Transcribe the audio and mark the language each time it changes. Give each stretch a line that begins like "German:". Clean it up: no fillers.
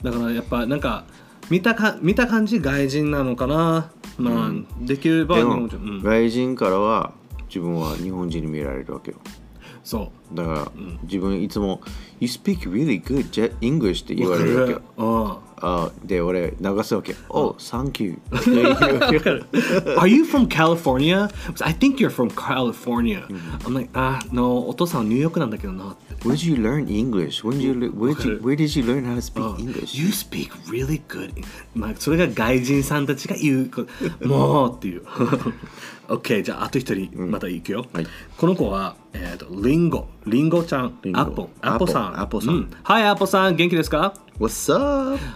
Japanese: だからやっぱなんか見た感じ外人なのかな、まあ、うん、できれば日本人、うん、外人からは自分は日本人に見られるわけよ。そうだから、うん、自分いつも
English: You speak really good English
Japanese: って言われるわけよ。で俺流すわけ、
English: Oh, thank you。 Are you from California? I think you're from California、うん、I'm like, ah, no,
Japanese: お父さんはニューヨークなんだけどな。
English: Where did you learn English? Where did you learn how to speak English? You speak really good、
Japanese: まあ、それが外人さんたちが言うこともうっていう。 OK、 じゃああと一人また行くよ、うん、はい、この子は、リンゴ、リンゴちゃん、アポ、アポさん、アポさん、うん、はい、アポさん元気ですか？
English: What's up?